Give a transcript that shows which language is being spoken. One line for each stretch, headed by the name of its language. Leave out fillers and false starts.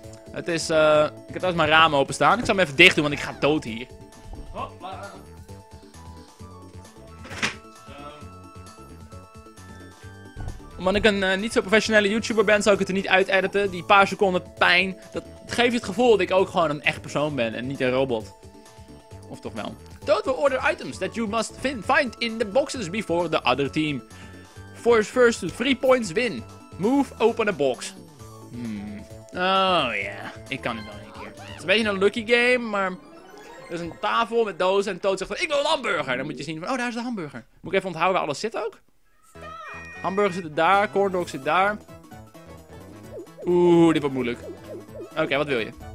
Dutch: Het is Ik heb thuis mijn raam openstaan. Ik zal hem even dicht doen, want ik ga dood hier. Hoppa. Omdat ik een niet zo professionele YouTuber ben, zou ik het er niet uit editen. Die paar seconden pijn, dat geeft het gevoel dat ik ook gewoon een echt persoon ben en niet een robot. Of toch wel.
English: Toad will order items that you must find in the boxes before the other team. For his first 3 points win. Move, open a box.
Dutch: Oh yeah, ik kan het wel een keer. Het is een beetje een lucky game, maar... Er is een tafel met dozen en Toad zegt van, ik wil een hamburger. Dan moet je zien van, oh daar is de hamburger. Moet ik even onthouden waar alles zit ook? Hamburger zit daar, corn dog zit daar. Oeh, dit wordt moeilijk. Oké, wat wil je?